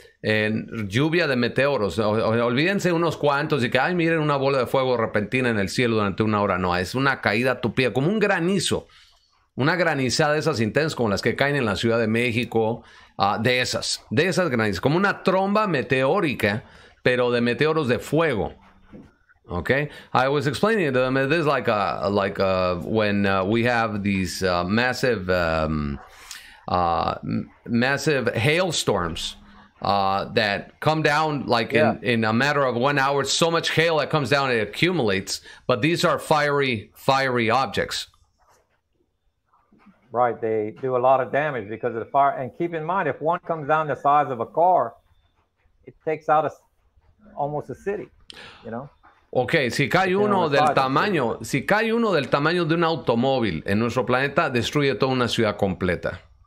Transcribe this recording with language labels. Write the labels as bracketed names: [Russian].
[Spanish] Lluvia de meteoros. Olvídense unos cuantos y que, ay, miren una bola de fuego repentina en el cielo durante 1 hora. No, es una caída tupida, como un granizo. Una granizada de esas intensas, como las que caen en la Ciudad de México. De esas granizas. Como una tromba meteórica, pero de meteoros de fuego. [English] Okay. I was explaining to them, this is like a, when we have these massive hailstorms. That come down like in a matter of 1 hour, so much hail that comes down, it accumulates. But these are fiery objects. Right, they do a lot of damage because of the fire. And keep in mind, if one comes down the size of a car, it takes out almost a city, you know? [Spanish] Okay, si cae uno del tamaño de un automóvil en nuestro planeta, destruye toda una ciudad completa.